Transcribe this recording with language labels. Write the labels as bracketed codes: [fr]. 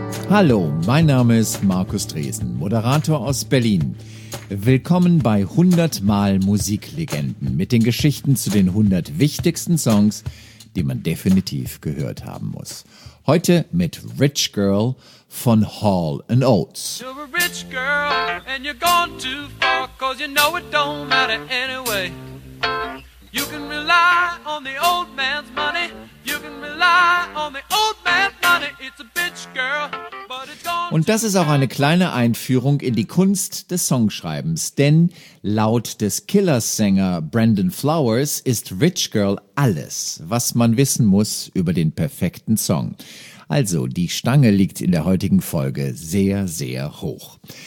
[de] Hallo, mein Name ist Markus Dresen, Moderator aus Berlin. Willkommen bei 100 Mal Musiklegenden mit den Geschichten zu den 100 wichtigsten Songs, die man definitiv gehört haben muss. Heute mit Rich Girl von Hall & Oates. [en] You're a rich girl and you're gone too far, 'cause you know it don't matter anyway. You can rely on the old man's money. You can rely on the old man's money. It's a bitch girl, but it's gone. [de] Und das ist auch eine kleine Einführung in die Kunst des Songschreibens, denn laut des Killers-Sänger Brandon Flowers ist Rich Girl alles, was man wissen muss über den perfekten Song. Also, die Stange liegt in der heutigen Folge sehr, sehr hoch.